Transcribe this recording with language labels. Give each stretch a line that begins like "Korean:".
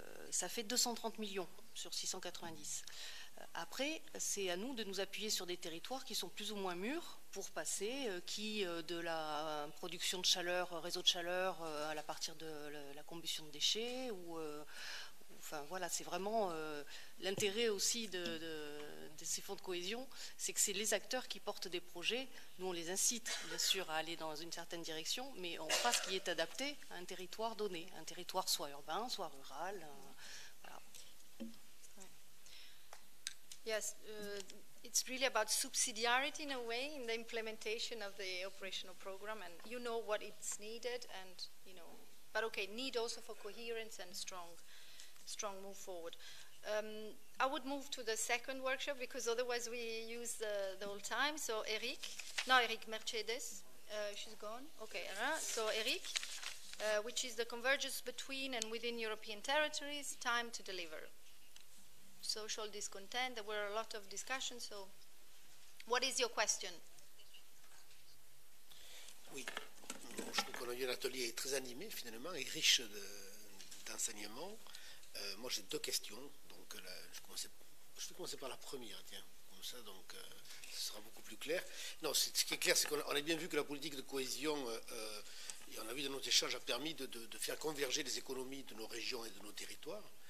French: Ça fait 230 millions sur 690. Après, c'est à nous de nous appuyer sur des territoires qui sont plus ou moins mûrs pour passer qui de la production de chaleur, réseau de chaleur à partir de la combustion de déchets, ou enfin voilà, c'est vraiment l'intérêt aussi de ces fonds de cohésion, c'est que c'est les acteurs qui portent des projets. Nous, on les incite bien sûr à aller dans une certaine direction, mais on fera ce qui est adapté à un territoire donné, un territoire soit urbain, soit rural.
English: Yes, it's really about subsidiarity in a way in the implementation of the operational program, and you know what it's needed, and you know, but okay, need also for coherence and strong move forward. I would move to the second workshop because otherwise we use the whole time. So Eric, no Eric Mercedes, she's gone. Okay, so Eric, which is the convergence between and within European territories, time to deliver. Social discontent, there were a lot of discussions, so what is your question?
French: Oui, je crois qu'on a eu un atelier très animé finalement et riche de, d'enseignement. Moi, j'ai deux questions. Donc, je vais commencer par la première, tiens. Comme ça, donc, ce sera beaucoup plus clair. Non, ce qui est clair, c'est qu'on a bien vu que la politique de cohésion, et on l'a vu dans nos échanges, a permis de faire converger les économies de nos régions et de nos territoires.